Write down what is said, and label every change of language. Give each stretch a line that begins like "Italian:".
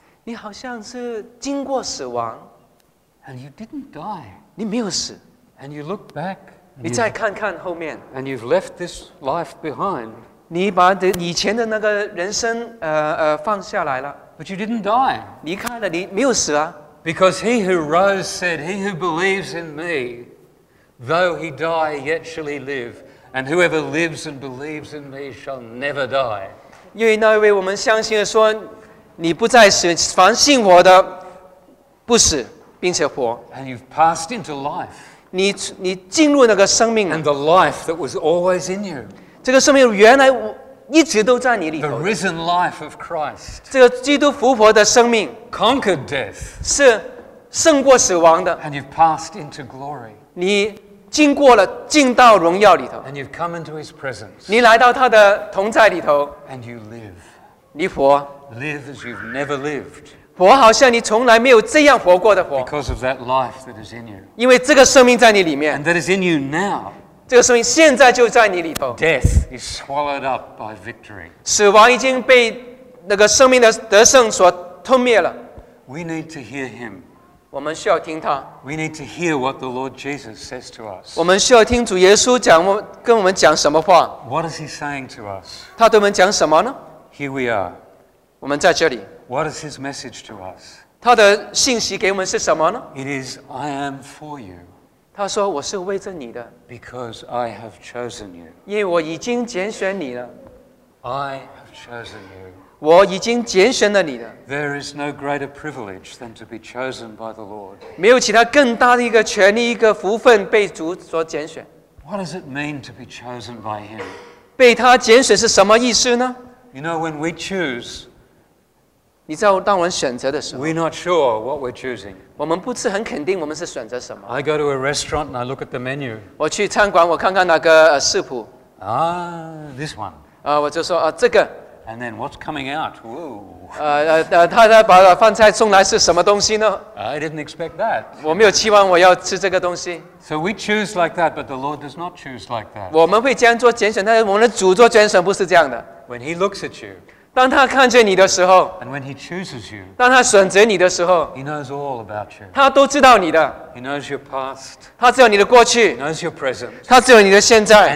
Chinese: 你好像是经过死亡。
English: And you didn't die.
Chinese: 你没有死。
English: And you look back.
Chinese: 你再看看后面。
English: And you've left this life behind.
Chinese: 你把以前的那个人生放下来了。
English: But you didn't die.
Chinese: 离开了，你没有死啊。
English: Because he who rose said, "He who believes in me, though he die, yet shall he live. And whoever lives and believes in me shall never die."
Chinese: 因为那位我们相信的说，你不再死，凡信我的，不死，并且活。
English: And you've passed into life.
Chinese: 你进入那个生命。
English: And the life that was always in you.
Chinese: 这个生命原来一直都在你里头。
English: The risen life of Christ.
Chinese: 这个基督复活的生命。
English: Conquered death.
Chinese: 是胜过死亡的。
English: And you've passed into glory.
Chinese: 你经过了进到荣耀里头。
English: And you've come into his presence.
Chinese: 你来到他的同在里头。
English: And you live.
Chinese: 你活。
English: Live as you've never lived.
Chinese: 活好像你从来没有这样活过的活。
English: Because of that life that is in you.
Chinese: 因为这个生命在你里面。
English: And that is in you now.
Chinese: 这个生命现在就在你里头。
English: Death is swallowed up by victory.
Chinese: 死亡已经被那个生命的得胜所吞灭了。
English: We need to hear him.
Chinese: 我们需要听他。
English: We need to hear what the Lord Jesus says to us.
Chinese: 我们需要听主耶稣讲跟我们讲什么话。
English: What is he saying to us?
Chinese: 他对我们讲什么呢
English: ？Here we are.
Chinese: 我们在这里。
English: What is his message to us?
Chinese: 他的信息给我们是什么呢
English: ？It is I am for you.
Chinese: 他说：“我是为着你的。”
English: Because I have chosen you.
Chinese: 因为我已经拣选你了。
English: I have chosen you.
Chinese: 我已经拣选了你了。
English: There is no greater privilege than to be chosen by the Lord.
Chinese: 没有其他更大的一个权利、一个福分被主所拣选。
English: What does it mean to be chosen by Him?
Chinese: 被他拣选是什么意思呢
English: ？You know, when we choose.
Chinese: 你知道，当我们选择的时候
English: ，We're not sure what we're choosing.
Chinese: 我们不是很肯定我们是选择什么。
English: I go to a restaurant and I look at the menu.
Chinese: 我去餐馆，我看看那个食谱。
English: Ah, this one.
Chinese: 我就说这个。
English: And then what's coming out? Whoa.
Chinese: 他把饭菜送来是什么东西呢?
English: I didn't expect that.
Chinese: 我没有期望我要吃这个东西。
English: So we choose like that, but the Lord does not choose like that.
Chinese: 我们会这样做拣选，但是我们的主做拣选不是这样的。
English: When he looks at you,
Chinese: 当他看见你的时候,
English: and when he chooses you,
Chinese: 当他选择你的时候,
English: he knows all about you.
Chinese: 他都知道你的。
English: He knows your past.
Chinese: 他知道你的过去。
English: He knows your present.
Chinese: 他知道你的现在。